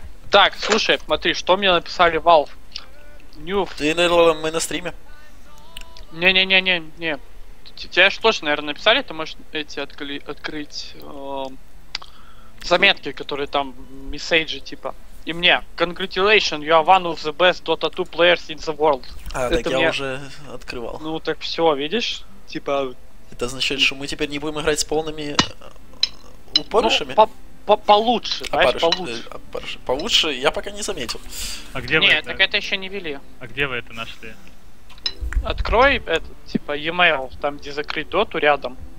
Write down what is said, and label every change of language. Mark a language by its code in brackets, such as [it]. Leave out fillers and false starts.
[ru] Так, слушай, смотри, что мне написали Valve. Нюф. Ты, наверное, мы на стриме. Не-не-не-не-не. Тебя же точно, наверное, написали, ты можешь эти открыть заметки, которые там, месседжи, типа. И мне. [en] Congratulations, you are one of the best Dota 2 players in the world. [ru] А, это так мне... я уже открывал. Ну так все, видишь? Типа. Это означает, что мы теперь не будем играть с полными упорышами? Ну, получше, знаешь, получше. Получше я пока не заметил. А где нет, вы это? Так это еще не вели. А где вы это нашли? Открой этот, типа, e-mail, там где закрыть доту рядом.